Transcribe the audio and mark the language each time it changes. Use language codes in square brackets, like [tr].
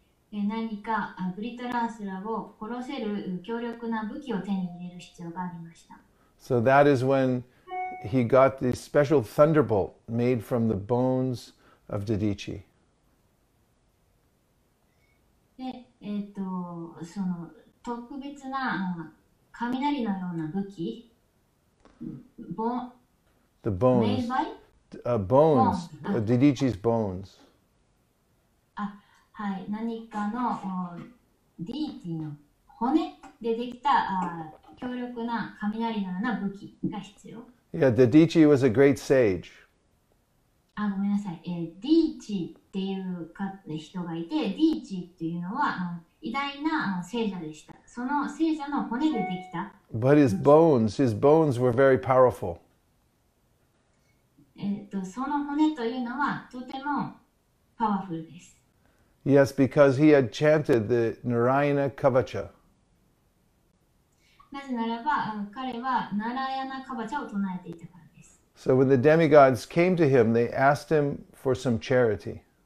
[ja] 何かブリトラスラを殺せる強力な武器を手に入れる必要がありました。 [en] So that is when he got the special thunderbolt made from the bones of Didichi. [ja] で、その特別な雷のような武器、ボン、 [en] The bones. [ja] 名前、 [en] bones. Didichi's bones. [ja] あ、はい、何かのディーティの骨でできた強力な雷のような武器が必要。 [en] Yeah, Didichi was a great sage. [ja] あ、ごめんなさい。ディーチっていうか人がいて、ディーチっていうのは、偉大な聖者でした。その聖者の骨でできた。 [en] But his bones were very powerful. [ja] その骨というのはとてもパワフルです。 [en] Yes, because he had chanted the Narayana Kavacha. [ja] なぜならば彼はナラヤナカバチャを唱えていたからです。 [en] So when the demigods came to him, they asked him for some charity.